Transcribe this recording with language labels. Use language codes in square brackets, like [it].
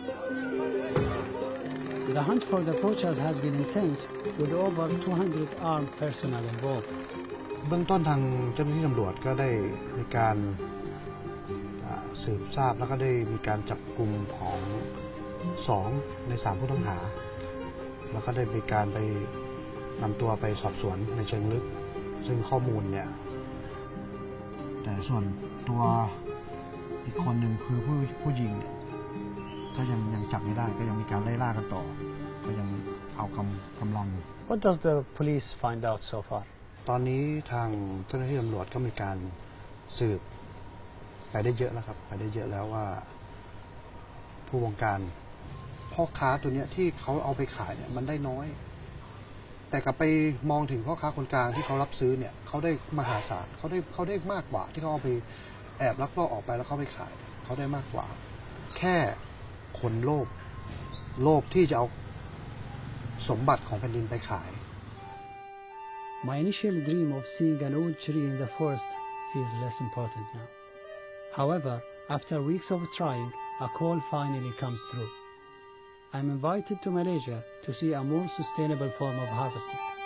[en] hunt for the poachers has been intense, with over 200 armed personnel involved. [th] เบื้องต้นทางเจ้าหน้าที่ตำรวจก็ได้มีการสืบทราบแล้วก็ได้มีการจับกลุ่มของ2ใน3ผู้ต้องหาแล้วก็ได้มีการไปนำตัวไปสอบสวนในเชิงลึกซึ่งข้อมูลเนี่ยแต่ส่วนตัวอีกคนหนึ่งคือผู้ยิงก็ยังจับไม่ได้ก็ยังมีการไล่ล่ากันต่อก็ยังเอากำลัง [en] What does the police find out so far? [th] ตอนนี้ทางเจ้าหน้าที่ตำรวจก็มีการสืบไปได้เยอะแล้วครับไปได้เยอะแล้วว่าผู้วงการพ่อค้าตัวเนี้ยที่เขาเอาไปขายเนี่ยมันได้น้อยแต่กลับไปมองถึงพ่อค้าคนกลางที่เขารับซื้อเนี่ยเขาได้มหาศาลเขาได้มากกว่าที่เขาเอาไปแอบลักลอบออกไปแล้วเขาไปขายเขาได้มากกว่าแค่คนโลภที่จะเอาสมบัติของแผ่นดินไปขาย [en] My initial dream of seeing an oud tree in the forest feels less important now. However, after weeks of trying, a call finally comes through. I'm invited to Malaysia to see a more sustainable form of harvesting.